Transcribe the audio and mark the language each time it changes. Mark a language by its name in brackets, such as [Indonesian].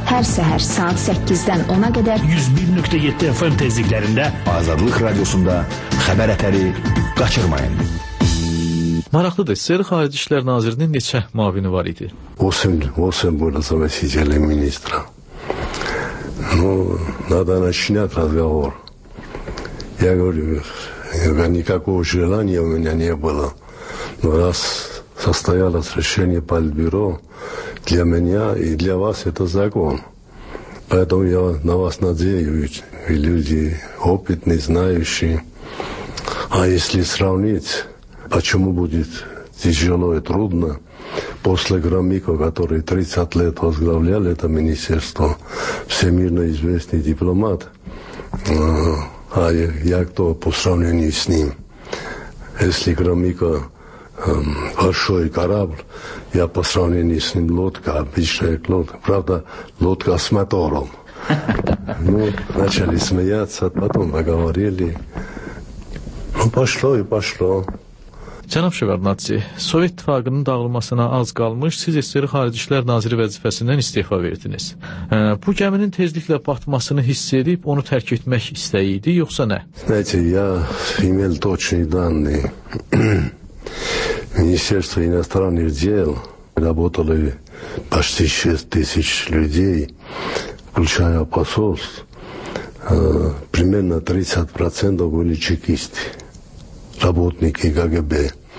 [Azerbaijani] Hər səhər saat 8-dən 10-a qədər 101.7 FM tezliklərində Azadlıq Radiosunda xəbər ətəri qaçırmayın. Maraqlıdır, Sər Xarici İşlər Nazirinin neçə mavini var idi? Olsun, bu nasıl vəsiyyəli ministra. [Russian] Ну, надо начинать разговор. Я говорю, никакого желания у меня не было. Но раз состоялось решение Политбюро, для меня и для вас это закон. Поэтому я на вас надеюсь, вы люди опытные, знающие. А если сравнить, почему будет тяжело и трудно, после Громыко, который 30 лет возглавлял это министерство, всемирно известный дипломат, а я кто по сравнению с ним? Если Громыко большой корабль, я по сравнению с ним лодка, обычная лодка, правда, лодка с мотором. Ну, начали смеяться, потом поговорили. Ну, пошло и пошло. [Azerbaijani] Cənab Şevardnadze, Sovet İttifaqının dağılmasına az qalmış, siz SSR Xarici İşlər Naziri vəzifəsindən istifa verdiniz. Bu gəminin tezliklə batmasını hiss edib, onu tərk etmək istəyi idi, yoxsa nə? [Russian] Знаете, я имел точные данные. Министерство иностранных дел работало почти 6000 людей, включая посольств. Примерно 30% были чекисты, работники КГБ.